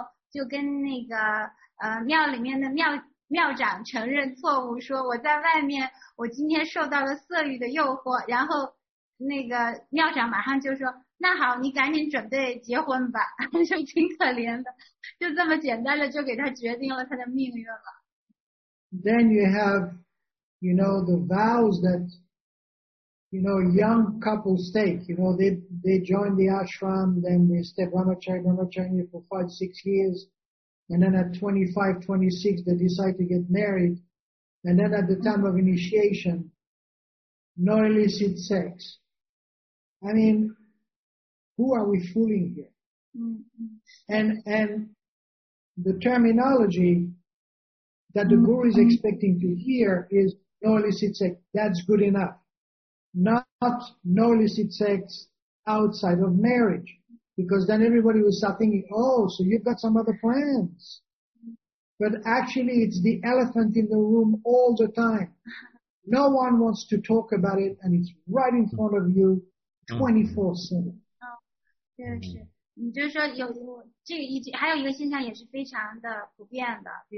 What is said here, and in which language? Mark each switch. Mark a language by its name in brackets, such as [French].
[Chinese] 就跟那个庙里面的庙长承认错误，说我在外面我今天受到了色欲的诱惑，然后那个庙长马上就说那好你赶紧准备结婚吧，就挺可怜的，就这么简单的就给他决定了他的命运了。 [English] Then you have you know the vows thatYou know, young couples take, you know, they join the ashram, then they stay brahmachari for 5-6 years, And then at 25, 26, they decide to get married. And then at the time of initiation, no illicit sex. I mean, who are we fooling here? Mm-hmm. And the terminology that the guru is expecting to hear is no illicit sex. That's good enough. Not no illicit sex outside of marriage. Because then everybody will start thinking, oh, so you've got some other plans. But actually, it's the elephant in the room all the time. No one wants to talk about it, and it's right in front of you 24/7. [Chinese] Oh, 你就是说有这个意见，还有一个现象也是非常的普遍的。